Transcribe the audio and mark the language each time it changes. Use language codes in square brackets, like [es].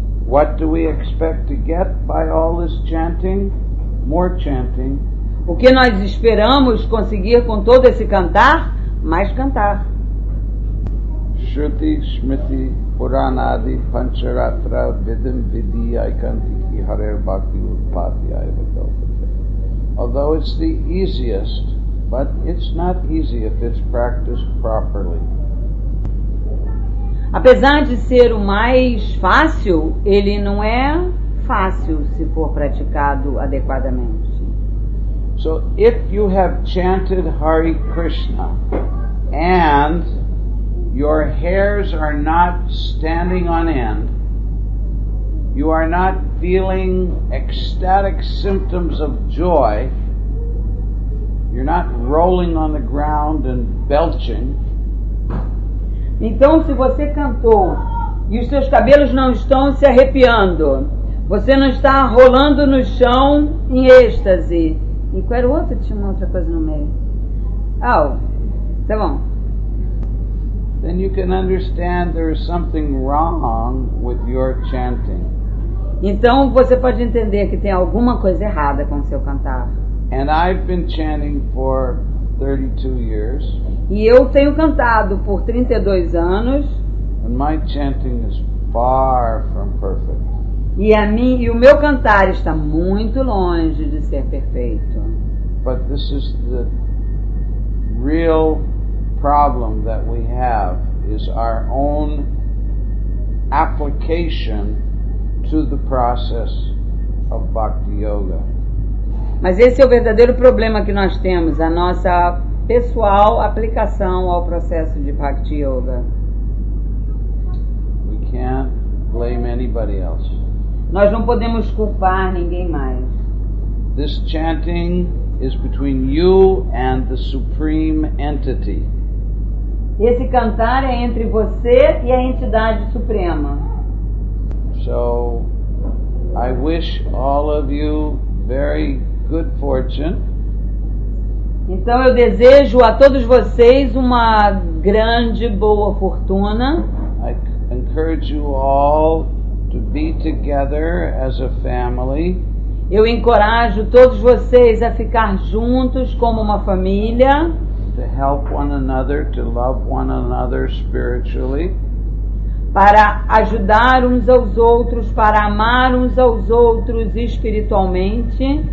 [en] What do we expect to get by all this chanting? More chanting. [pt] O que nós esperamos conseguir com todo esse cantar? Mais cantar. [sa] Shruti, Smriti, Puranadi, Pancharatra, Vidim, Vidhi, Aikantiki, Harer, Bhakti, Utpati, Ayavadopate. [en] Although it's the easiest, but it's not easy if it's practiced properly. [pt] Apesar de ser o mais fácil, ele não é fácil se for praticado adequadamente. [en] So if you have chanted Hare Krishna and your hairs are not standing on end, you are not feeling ecstatic symptoms of joy, you're not rolling on the ground and belching. [pt] Então se você cantou e os seus cabelos não estão se arrepiando, você não está rolando no chão em êxtase. E qual era o outro? Tinha uma outra coisa no meio. Oh, tá bom. [en] Then you can understand there is something wrong with your chanting. [pt] Então você pode entender que tem alguma coisa errada com o seu cantar. [en] And I've been chanting for 32 years. [pt] E eu tenho cantado por 32 anos. [en] And my chanting is far from perfect. [pt] E, a mim, e o meu cantar está muito longe de ser perfeito. [en] But this is the real problem that we have, is our own application to the process of Bhakti Yoga. [pt] Mas esse é o verdadeiro problema que nós temos, a nossa pessoal aplicação ao processo de Bhakti Yoga. [en] We can't blame anybody else. [pt] Nós não podemos culpar ninguém mais. [en] This chanting is between you and the supreme entity. [pt] Esse cantar é entre você e a entidade suprema. [en] So, I wish all of you very good fortune. [pt] Então eu desejo a todos vocês uma grande boa fortuna. [en] I encourage you all to be together as a family. [pt] Eu encorajo todos vocês a ficar juntos como uma família. [en] To help one another, to love one another spiritually. [pt] Para ajudar uns aos outros, para amar uns aos outros espiritualmente.